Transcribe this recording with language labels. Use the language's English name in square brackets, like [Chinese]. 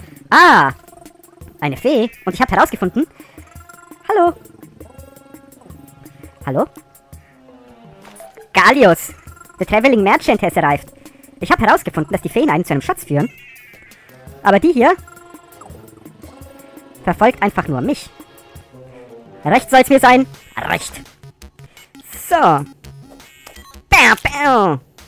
[German] Ah, eine Fee. Und ich habe herausgefunden. Hallo. Hallo? [English] Gallius, the traveling merchant has arrived. [German] Ich habe herausgefunden, dass die Feen einen zu einem Schatz führen. Aber die hier verfolgt einfach nur mich. Recht soll es mir sein. Recht. So. Bam, bam.